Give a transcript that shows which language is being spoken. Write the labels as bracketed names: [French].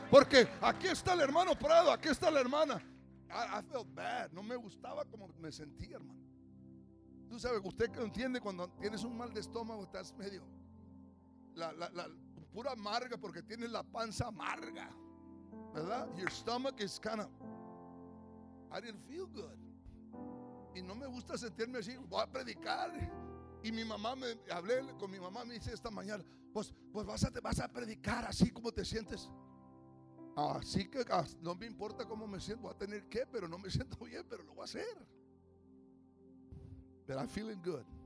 [Spanish] Porque aquí está el hermano Prado, aquí está la hermana. [English] I felt bad. [Spanish] No me gustaba como me sentía, hermano. Tú sabes, usted que entiende, cuando tienes un mal de estómago, estás medio la pura amarga, porque tienes la panza amarga, ¿verdad? [English] Your stomach is kind of, I didn't feel good. [Spanish] Y no me gusta sentirme así. Voy a predicar. Y mi mamá, hablé con mi mamá, me dice esta mañana, pues vas a predicar así como te sientes. Así que no me importa cómo me siento, voy a tener que, pero no me siento bien, pero lo voy a hacer. [English] But I'm feeling good.